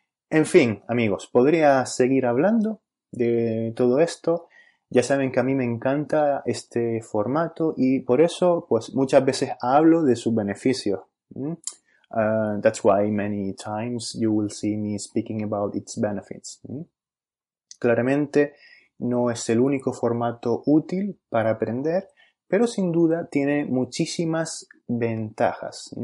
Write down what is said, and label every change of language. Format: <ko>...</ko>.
<es>En fin, amigos, podría seguir hablando de todo esto. Ya saben que a mí me encanta este formato y por eso, pues, muchas veces hablo de sus beneficios.</es> <en>That's why many times you will see me speaking about its benefits.</en> <es>Claramente, no es el único formato útil para aprender, pero sin duda tiene muchísimas ventajas.</es>